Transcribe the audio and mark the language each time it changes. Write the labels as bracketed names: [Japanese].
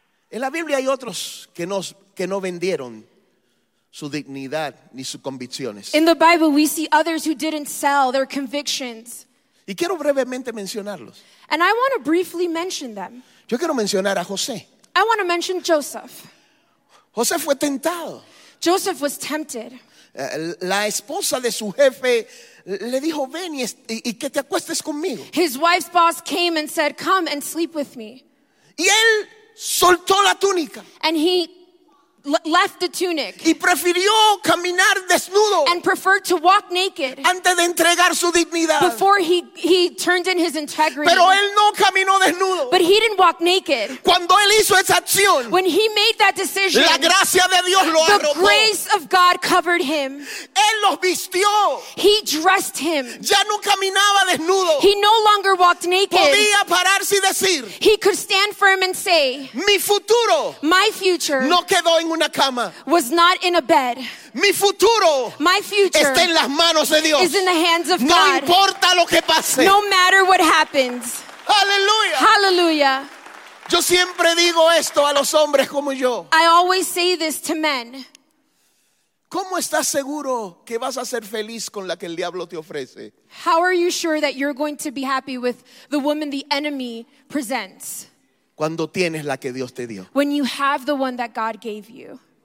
[Spanish] En la Biblia hay otros que no vendieron su dignidad ni sus convicciones. [English] In the Bible, we see others who didn't sell their convictions. [Spanish] Y quiero brevemente mencionarlos. [English] And I want to briefly mention them. [Spanish] Yo quiero mencionar a José. [English] I want to mention Joseph. [Spanish] José fue tentado. [English] Joseph was tempted. [Spanish] La esposa de su jefe le dijo, ven y que te acuestes conmigo. [English] His wife's boss came and said, come and sleep with me. [Spanish] Y él soltó la túnica. [English] And he left the tunic [Spanish] y prefirió caminar desnudo [English] and preferred to walk naked [Spanish] antes de entregar su dignidad [English] before he turned in his integrity. [Spanish] Pero él no caminó desnudo. [English] But he didn't walk naked. [Spanish] Cuando él hizo esa acción, [English] when he made that decision, [Spanish] la gracia de Dios lo [English] the [Spanish] arropó. [English] Grace of God covered him. [Spanish] Él los vistió. [English] He dressed him. [Spanish] Ya no caminaba desnudo. [English] He no longer walked naked. [Spanish] Podía pararse y decir, [English] he could stand firm and say, [Spanish] mi futuro, [English] my future, [Spanish] no quedó en una cama. [English] Was not in a bed. [Spanish] Mi futuro, [English] my future, [Spanish] está en las manos de Dios. [English] Is in the hands of [Spanish] no [English] God. [Spanish] No importa lo que pase. [English] No matter what happens. Hallelujah. Hallelujah. [Spanish] Yo siempre digo esto a los hombres como yo. [English] I always say this to men. [Spanish] ¿Cómo estás seguro que vas a ser feliz con la que el diablo te ofrece? [English] How are you sure that you're going to be happy with the woman the enemy presents? [Spanish] Cuando tienes la que Dios te dio. [English] When you have the one that God gave you.